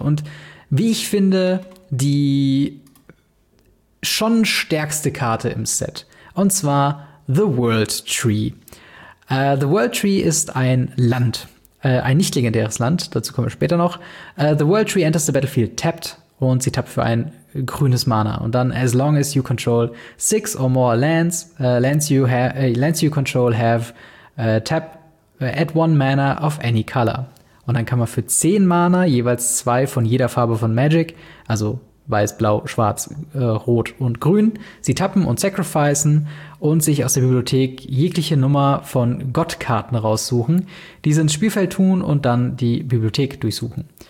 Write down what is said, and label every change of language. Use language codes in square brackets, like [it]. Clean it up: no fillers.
[de] Und wie ich finde, die schon stärkste Karte im Set. Und zwar The World Tree. The World Tree ist ein Land. Ein nicht legendäres Land, dazu kommen wir später noch. The World Tree [en] enters the battlefield tapped. [de] Und sie tappt für ein grünes Mana. Und dann, [en] as long as you control 6 or more lands, lands you control have tap. Add one mana of any color. [de] Und dann kann man für 10 Mana jeweils 2 von jeder Farbe von Magic, also weiß, blau, schwarz, rot und grün, sie tappen und sacrificen und sich aus der Bibliothek jegliche Nummer von Gottkarten raussuchen, diese ins Spielfeld tun und dann die Bibliothek durchsuchen.